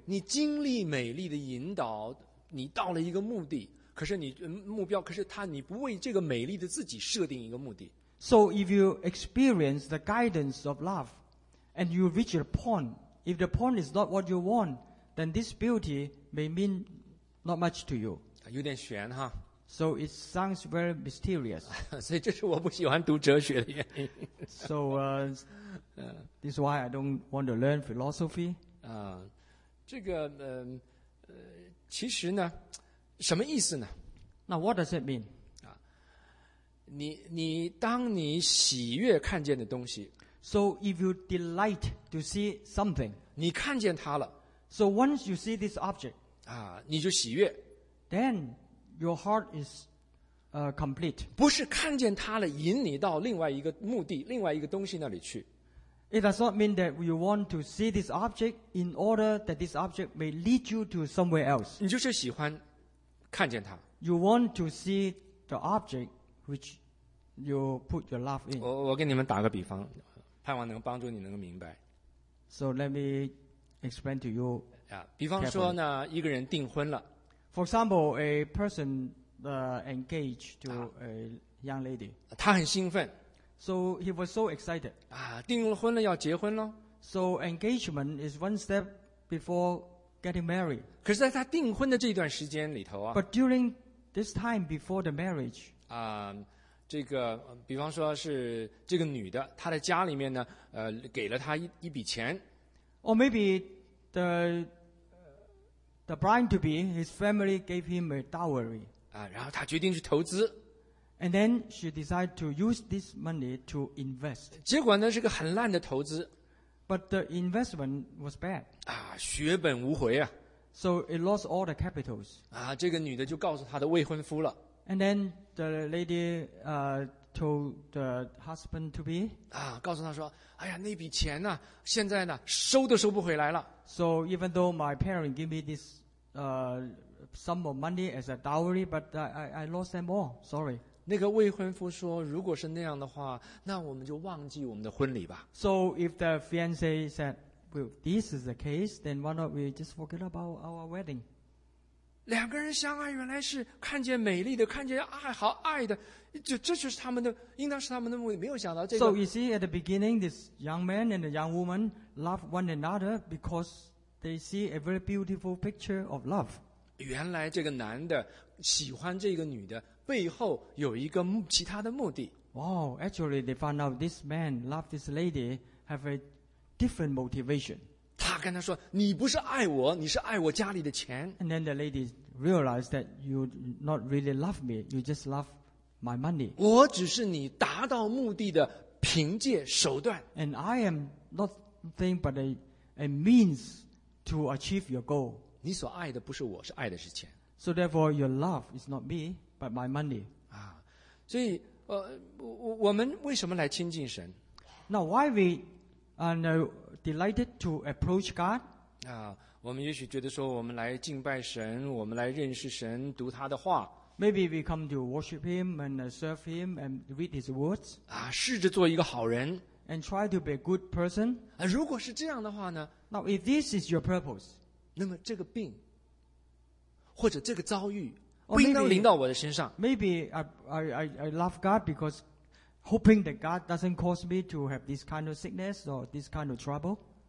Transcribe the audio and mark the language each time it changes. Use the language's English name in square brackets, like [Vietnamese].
[Chinese] 你经历美丽的引导，你到了一个目的，可是你目标，可是他，你不为这个美丽的自己设定一个目的。 [English] So if you experience the guidance of love, and you reach a point, if the point is not what you want, then this beauty may mean not much to you. [Chinese] 有点悬哈。 [English] So it sounds very mysterious. [Chinese] 所以这是我不喜欢读哲学的原因。 [English] So this is why I don't want to learn philosophy. [Chinese] 这个其实呢，什么意思呢 [English] ？Now what does it mean? [Chinese] 你当你喜悦看见的东西 [English] ，So if you delight to see something, [Chinese] 你看见它了 [English] ，So once you see this object, [Chinese] 你就喜悦 [English] ，Then. Your heart is, complete. [Chinese] 不是看见它了，引你到另外一个目的、另外一个东西那里去。 [English] It does not mean that you want to see this object in order that this object may lead you to somewhere else. [Chinese] 你就是喜欢看见它。 [English] You want to see the object which you put your love in. [Chinese] 我给你们打个比方，盼望能帮助你能够明白。 [English] So let me explain to you. [Chinese] 比方说呢，一个人订婚了。 [English] For example, a person engaged to a young lady. [Chinese] 他很兴奋。 [English] So he was so excited. [Chinese] 订婚了要结婚了。 [English] So engagement is one step before getting married. [Chinese] 可是在他订婚的这段时间里头啊。 [English] But during this time before the marriage. [Chinese] 这个比方说是这个女的，她的家里面呢，给了她一笔钱。 [English] Or maybe the bride to be, his family gave him a dowry. [Chinese] 然后她决定去投资。 [English] And then she decided to use this money to invest. [Chinese] 结果呢是个很烂的投资。 [English] But the investment was bad. [Chinese] 血本无回啊。 [English] So it lost all the capitals. [Chinese] 这个女的就告诉她的未婚夫了。 [English] And then the lady told the husband to be. [Chinese] 告诉她说，哎呀，那笔钱呢，现在呢，收都收不回来了。 [English] So even though my parents give me this sum of money as a dowry, but I lost them all. Sorry. [Chinese] 那个未婚夫说，如果是那样的话，那我们就忘记我们的婚礼吧。 [English] So if the fiancé said, well, this is the case, then why not we just forget about our wedding? [Chinese] 两个人相爱原来是看见美丽的，看见爱，好爱的，这就是他们的，应当是他们的目的，没有想到这个。 [English] So you see, at the beginning, this young man and the young woman love one another because they see a very beautiful picture of love. [Chinese] 原来这个男的喜欢这个女的背后有一个其他的目的。 [English] Wow, actually, they found out this man loved this lady have a different motivation. [Chinese] 他跟他说，你不是爱我，你是爱我家里的钱。 [English] And then the lady realized that you not really love me, you just love my money. [Chinese] 我只是你达到目的的凭借手段。 [English] And I am nothing but a means to achieve your goal. [Chinese] 你所爱的不是我，是爱的是钱。 [English] So therefore, your love is not me. But my money. [Chinese] 所以我们为什么来亲近神？ [English] Now why we are delighted to approach God? [Chinese] 我们也许觉得说我们来敬拜神，我们来认识神，读他的话。 [English] Maybe we come to worship him and serve him and read his words. [Chinese] 试着做一个好人。 [English] And try to be a good person. [Chinese] 如果是这样的话呢？ [English] Now if this is your purpose, [Chinese] 那么这个病或者这个遭遇。不应当临到我的身上。 [English] Maybe I love God because hoping that God doesn't cause me to have this kind of sickness or this kind of trouble.